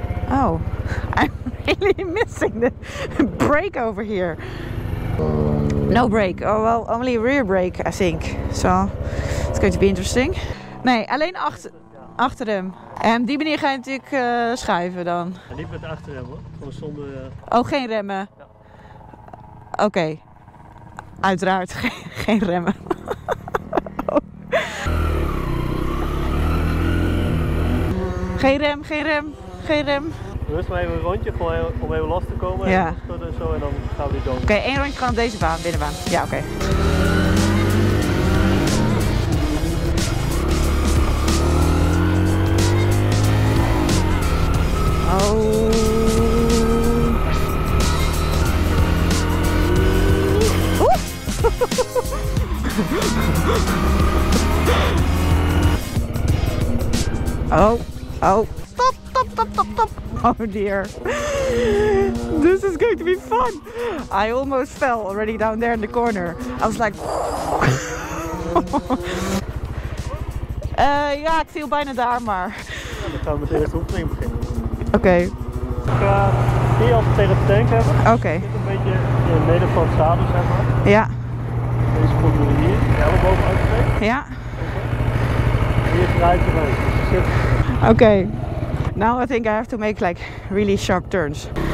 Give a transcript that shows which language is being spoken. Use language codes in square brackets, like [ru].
[en] Oh, I'm really missing the brake over here. No brake. Oh well, only rear brake, I think. So It's going to be interesting. [nl] Nee, alleen achter hem. En die manier ga je natuurlijk schuiven dan. Ja, niet met achterrem hoor. Gewoon zonder. Oh, geen remmen. Ja. Oké. Okay. Uiteraard geen remmen. Geen rem. Rust maar even een rondje om even los te komen. Ja. En zo, en dan gaan we door. Oké, okay, één rondje gewoon op deze baan, binnenbaan. Ja, oké. Okay. Oh. [en] Oh, oh, stop. Oh dear. This is going to be fun. I almost fell already down there in the corner. I was like. [nl] ja, ik viel bijna daar, maar. Dan gaan we met de eerste oefening beginnen. Oké. Ik ga hier altijd tegen de tank hebben. Oké. Dit is een beetje in het midden van het zadel, zeg maar. Ja. Deze komt hier. De helm boven uitsteken. Ja. Hier draait het mee. [en] Oké, now I think I have to make like really sharp turns.